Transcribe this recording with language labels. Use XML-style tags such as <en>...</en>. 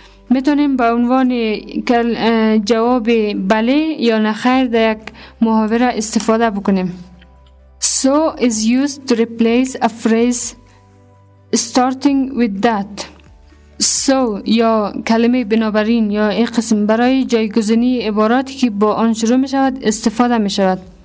<fa>میتونیم به عنوان جواب بله یا نخیر در یک محاوره استفاده بکنیم.</fa> <en>So is used to replace a phrase starting with that.</en> <fa>So یا کلمه بنابراین یا این قسم برای جایگزینی عباراتی که با آن شروع میشود استفاده میشود.</fa>